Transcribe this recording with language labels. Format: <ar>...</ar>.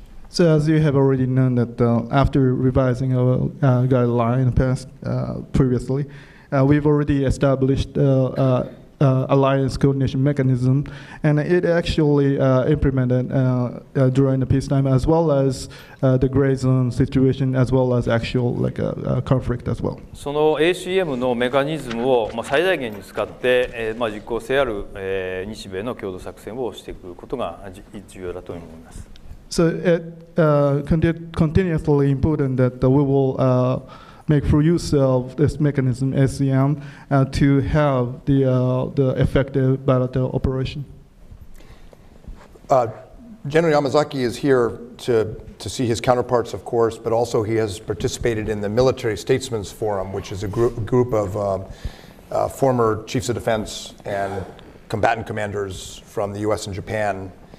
<en>So as you have already known that after revising our guideline passed previously, we've already established alliance coordination mechanism, and it actually implemented during the peacetime as well as the gray zone situation as well as actual like a conflict as well.</en> <ja>その ACM のメカニズムを最大限に使って、実効性ある、日米の共同作戦をしていくことが重要だと思います。</ja> <en>So it continuously important that we will make full use of this mechanism, SCM, to have the effective bilateral operation. General Yamazaki is here to see his counterparts, of course, but also he has participated in the Military Statesman's Forum, which is a group of former chiefs of defense and combatant commanders from the U.S. and Japan.</en>